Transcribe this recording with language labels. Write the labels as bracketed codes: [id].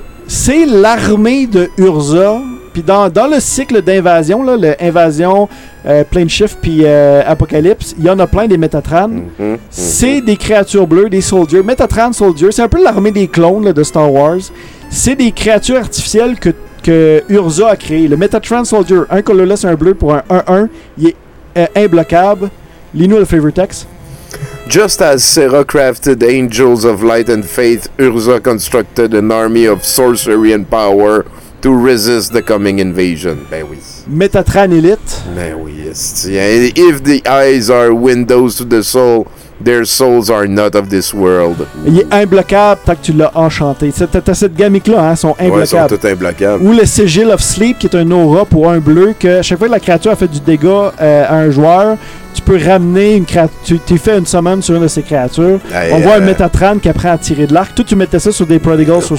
[fr] C'est l'armée de Urza. Puis dans le cycle d'invasion, là, l'invasion, Planeshift, puis Apocalypse, il y en a plein des Métatranes. C'est des créatures bleues, des soldiers. Métatranes, soldiers, c'est un peu l'armée des clones là, de Star Wars. C'est des créatures artificielles que Urza a créées. Le Métatran Soldier, un colorless, un bleu pour un 1-1, il est imbloquable. Lis-nous le favorite text. [en] Just as Sera crafted Angels of Light and Faith, Urza constructed an army of sorcery and power to resist the coming invasion. [fr] Ben oui. Métatran élite. Ben oui, esti. [en] If the eyes are windows to the soul, their souls are not of this world. [fr] Il est imbloquable tant que tu l'as enchanté. T'as cette gamique-là, hein, sont imbloquables. Ouais, ils sont tous imbloquables. Ou le Sigil of Sleep, qui est un aura pour un bleu, que chaque fois que la créature a fait du dégât à un joueur, tu peux ramener une créature. Tu fais une summon sur une de ces créatures. Aye, on voit un Métatran qui apprend à tirer de l'arc. Toi, tu mettais ça sur des Prodigals sur